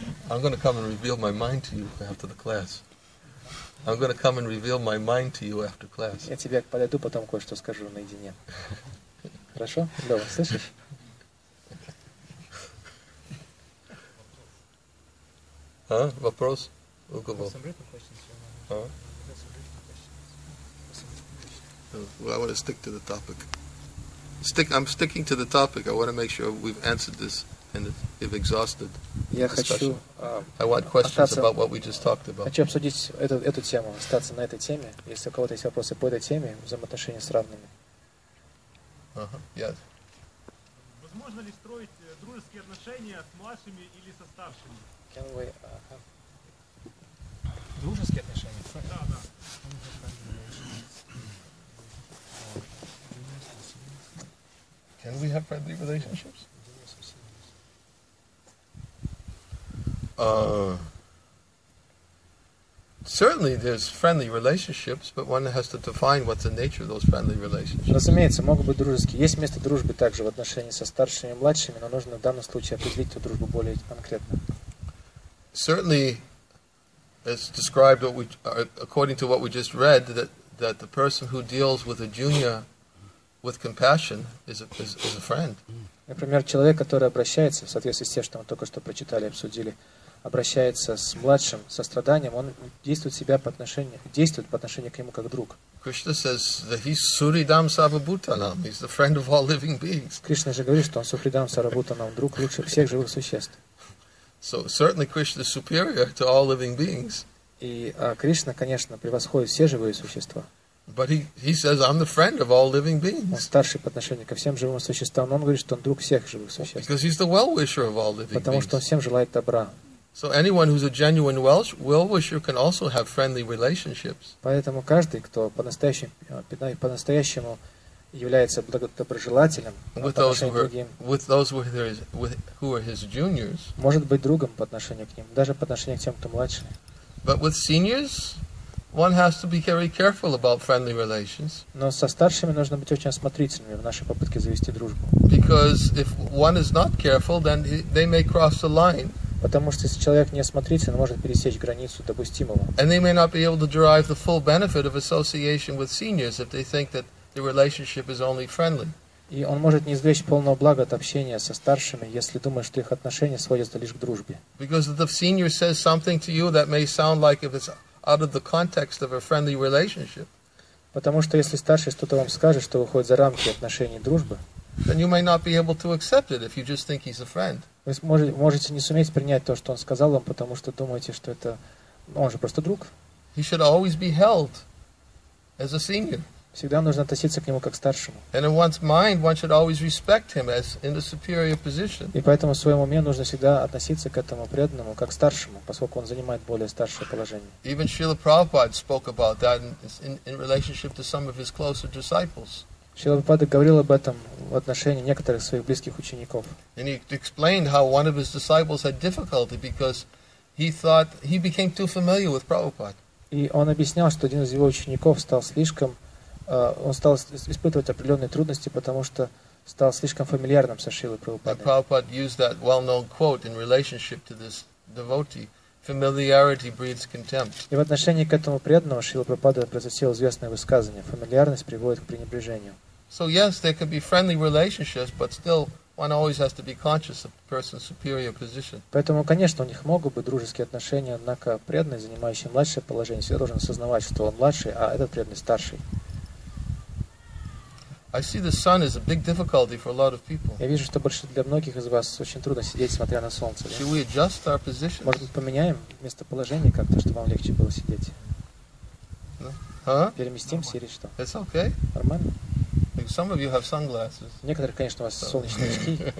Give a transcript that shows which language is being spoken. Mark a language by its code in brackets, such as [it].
[en] I'm gonna come and reveal my mind to you after the class. I'm going to come and reveal my mind to you after class. [ru] Я тебе подойду потом кое-что скажу наедине. Хорошо? Лёва, слышишь? А? Вопрос? У кого? [en] Well, I want to stick to the topic. I'm sticking to the topic. I want to make sure we've answered this. and they've exhausted. [ru] Я хочу. [en] I want questions about what we just talked about. [ru] Хочу обсудить эту тему, остаться на этой теме. Если у кого-то есть вопросы по этой теме, взаимоотношения с равными. [en] Yes. [ru] Возможно ли строить дружеские отношения с младшими или со старшими? [en] Can we? [ru] Дружеские отношения. Да, да. [en] Can we have friendly relationships? Certainly, there's friendly relationships, but one has to define what's the nature of those friendly relationships. [ru] Разумеется, могут быть дружеские. Есть место дружбы также в отношениях со старшими и младшими, но нужно в данном случае определить эту дружбу более конкретно. [en] Certainly, as described, according to what we just read, that the person who deals with a junior with compassion is a friend. [ru] Например, человек, который обращается, в соответствии с тем, что мы только что прочитали и обсудили, обращается с младшим со страданием, он действует по отношению к нему как друг. [en] Krishna says that he's Suridam Sarvabhutanam. He's the friend of all living beings. [ru] Кришна же говорит, что он Сухридам Сарвабхутанам, друг лучших всех живых существ. [en] So certainly Krishna is superior to all living beings. [ru] И Кришна, конечно, превосходит все живые существа. [en] But he says, I'm the friend of all living beings. [ru] Он старший по отношению ко всем живым существам, но он говорит, что он друг всех живых существ. [en] Because he's the well-wisher of all living beings. [ru] Потому что он всем желает добра. [en] So anyone who's a genuine Welsh well-wisher can also have friendly relationships. [ru] Поэтому каждый, кто по-настоящему является благодоброжелательным [en] with those who are his juniors. [ru] Может быть другом по отношению к ним, даже по отношению к тем, кто младше. [en] But with seniors, one has to be very careful about friendly relations. [ru] Но со старшими нужно быть очень осмотрительными в нашей попытке завести дружбу. [en] Because if one is not careful, then they may cross the line. [ru] Потому что если человек не осмотрителен, он может пересечь границу допустимого. [en] And they may not be able to derive the full benefit of association with seniors if they think that the relationship is only friendly. [ru] И он может не извлечь полного блага от общения со старшими, если думает, что их отношения сводятся лишь к дружбе. [en] Because if the senior says something to you that may sound like if it's out of the context of a friendly relationship. [ru] Потому что если старший что-то вам скажет, что выходит за рамки отношений дружбы, [en] then you may not be able to accept it if you just think he's a friend. [ru] Вы можете не суметь принять то, что он сказал вам, потому что думаете, что это он же просто друг. [en] He should always be held as a senior. [ru] Всегда нужно относиться к нему как к старшему. [en] And in one's mind, one should always respect him as in a superior position. [ru] И поэтому в своем уме нужно всегда относиться к этому преданному как к старшему, поскольку он занимает более старшее положение. [en] Even Srila Prabhupada spoke about that in relationship to some of his closer disciples. [ru] Srila Prabhupada говорил об этом в отношении некоторых своих близких учеников. [en] And he explained how one of his disciples had difficulty because he thought he became too familiar with Prabhupada. [ru] И он объяснял, что один из его учеников стал слишком он стал испытывать определенные трудности, потому что стал слишком фамильярным со Шрилой Прабхупадой. [en] And Prabhupada used that well-known quote in relationship to this devotee: familiarity breeds contempt. [ru] И в отношении к этому преданному Шрила Прабхупада произносил известное высказывание: фамильярность приводит к пренебрежению. [en] So yes, there could be friendly relationships, but still one always has to be conscious of the person's superior position. [ru] Поэтому, конечно, у них могут быть дружеские отношения, однако преданный, занимающий младшее положение, всегда должен осознавать, что он младший, а этот преданный старший. [en] I see the sun is a big difficulty for a lot of people. [ru] Я вижу, что больше для многих из вас очень трудно сидеть, смотря на солнце. [en] Should we adjust our position? [ru] Может, поменяем местоположение как-то, чтобы вам легче было сидеть? Переместимся или что? [en] It's okay. [ru] Нормально. [en] Some of you have sunglasses. [ru] Некоторые, конечно, у вас солнечные очки.